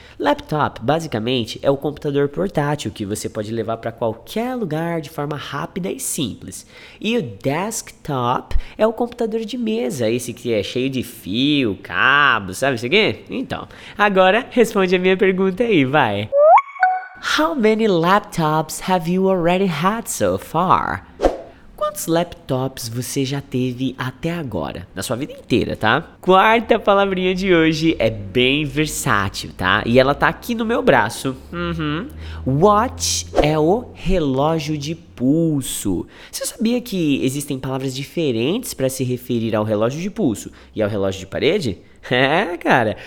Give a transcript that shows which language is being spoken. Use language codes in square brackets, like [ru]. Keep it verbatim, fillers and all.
[pt] Laptop, basicamente, é o computador portátil que você pode levar para qualquer lugar de forma rápida e simples. E o desktop é o computador de mesa, esse que é cheio de fio, cabo, sabe isso aqui? Então, agora responde a minha pergunta aí, vai. [en] How many laptops have you already had so far? [pt] Quantos laptops você já teve até agora? Na sua vida inteira, tá? Quarta palavrinha de hoje é bem versátil, tá? E ela tá aqui no meu braço. Uhum. Watch é o relógio de pulso. Você sabia que existem palavras diferentes para se referir ao relógio de pulso e ao relógio de parede? É, cara.